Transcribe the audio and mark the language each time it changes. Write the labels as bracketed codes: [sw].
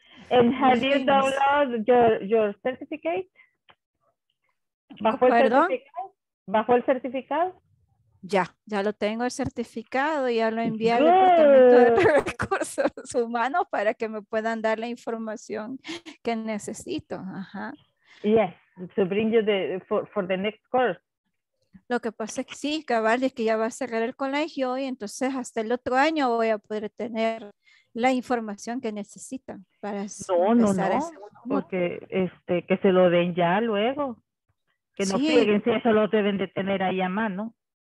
[en] And have you downloaded your certificate? [es] ¿Bajo el ¿Perdón? Certificado? ¿Bajo el certificado? Ya lo tengo el certificado y ya lo envié al Departamento de Recursos Humanos para que me puedan dar la información que necesito. Ajá. [en] Yes, to bring you for the next course. [es] Lo que pasa es que sí, cabal, es que ya va a cerrar el colegio y entonces hasta el otro año voy a poder tener la información que necesitan para empezar ese momento. Porque que se lo den ya luego. Que no peguen, si eso lo deben de tener ahí a mano.